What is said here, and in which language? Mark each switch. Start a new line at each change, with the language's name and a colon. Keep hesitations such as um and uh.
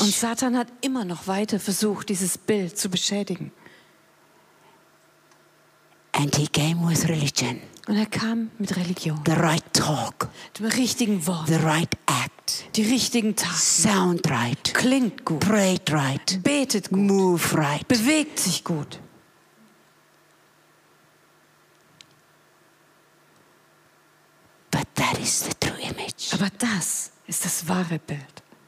German: Und Satan hat immer noch weiter versucht, dieses Bild zu beschädigen.
English: and he came with religion
German: Und er kam mit Religion,
English: the right talk
German: mit richtigen Worten,
English: the right act
German: die richtigen Taten.
English: sound right
German: Klingt gut,
English: prayed right
German: betet gut,
English: move right
German: bewegt sich gut.
English: but that is the true image
German: Aber das ist das wahre Bild.